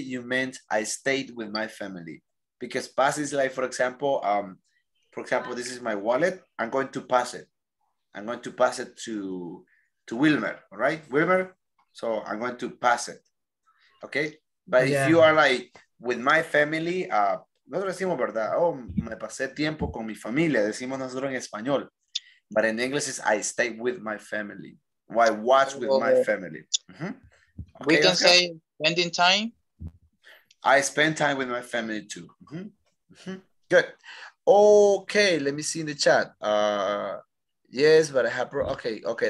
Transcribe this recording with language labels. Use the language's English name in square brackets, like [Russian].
[English] You meant I stayed with my family, because pass is like, for example, this is my wallet. I'm going to pass it to Wilmer, all right? Wilmer, so I'm going to pass it, okay? But if you are like with my family, [Spanish] nosotros decimos, ¿verdad? Oh, me pasé tiempo con mi familia, decimos nosotros en español. [English] But in English is I stay with my family. Or I watch with my family. Mm-hmm. Okay, we can say spending time. I spend time with my family too. Mm-hmm. Mm-hmm. Good. Okay, let me see in the chat. Yes, but I have... Okay.